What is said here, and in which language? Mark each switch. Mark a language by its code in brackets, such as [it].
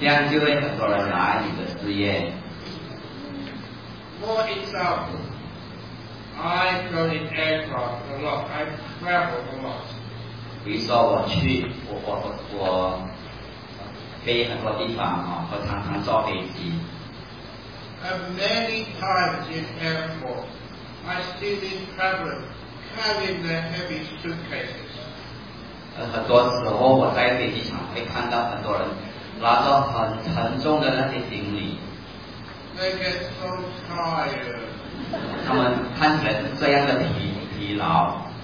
[zh] 这样就会很多人来你的寺院。 [en] For example, I go in aircraft a lot. I travel a lot. [zh] 比如说我去我飞很多地方啊，我常常坐飞机。 [en] Many times in airport, I see these travelers carrying their heavy suitcases. [zh] 很多时候我在飞机场会看到很多人拉着很沉重的那些行李。 [en] They get so tired. [zh] 他们看起来是这样的疲劳。